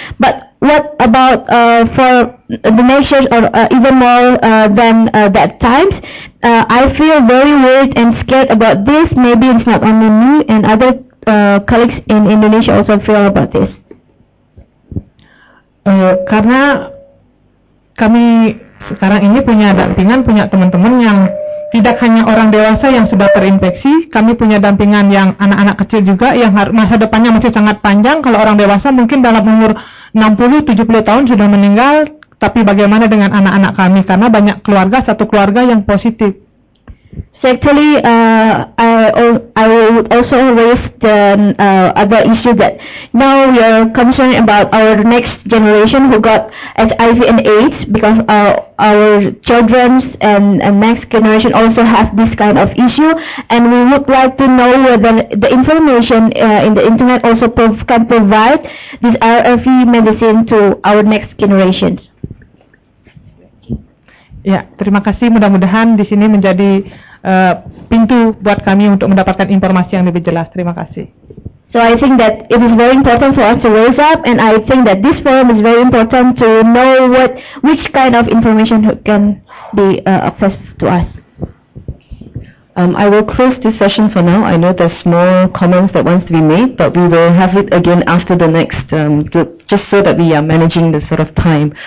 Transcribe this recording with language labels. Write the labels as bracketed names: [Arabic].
[English] But what about for the measures or even more than that times? I feel very worried and scared about this. Maybe it's not only me and other colleagues in Indonesia also feel about this. [Indonesian] Karena kami sekarang ini punya dampingan, punya teman-teman yang tidak hanya orang dewasa yang sudah terinfeksi, kami punya dampingan yang anak-anak kecil juga yang masa depannya masih sangat panjang. Kalau orang dewasa mungkin dalam umur 60-70 tahun sudah meninggal, tapi bagaimana dengan anak-anak kami? Karena banyak keluarga, satu keluarga yang positif. [English] So actually, I would also raise the other issue that now we are concerned about our next generation who got HIV and AIDS because our children and next generation also have this kind of issue, and we would like to know whether the information in the internet also can provide this RFV medicine to our next generations. [Indonesian] Ya, terima kasih. Mudah-mudahan di sini menjadi pintu buat kami untuk mendapatkan informasi yang lebih jelas. Terima kasih. [English] So I think that it is very important for us to raise up, and I think that this forum is very important to know what which kind of information can be accessed to us. I will close this session for now. I know there's more comments that wants to be made, but we will have it again after the next group, just so that we are managing the sort of time.